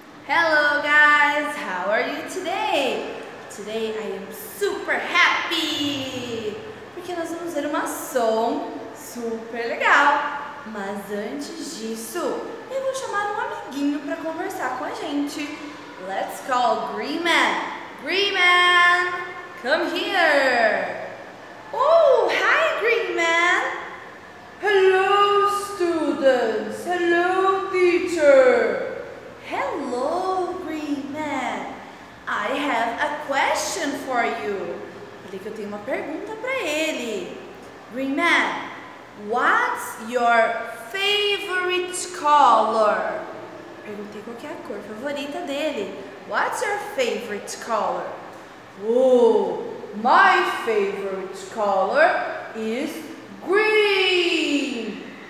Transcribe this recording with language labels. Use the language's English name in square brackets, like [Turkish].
[English] Hello guys, how are you today? Today I am super happy! [Portuguese] Porque nós vamos ver uma ação super legal! Mas antes disso, eu vou chamar um amiguinho para conversar com a gente. [English] Let's call Green Man! Green Man, come here! Oh, hi Green Man! Hello students! Hello teacher! Hello, Green Man. I have a question for you. [Portuguese] Falei que eu tenho uma pergunta para ele. [English] Green Man, what's your favorite color? [Portuguese] Perguntei qual que é a cor favorita dele. [English] What's your favorite color? Oh, my favorite color is green.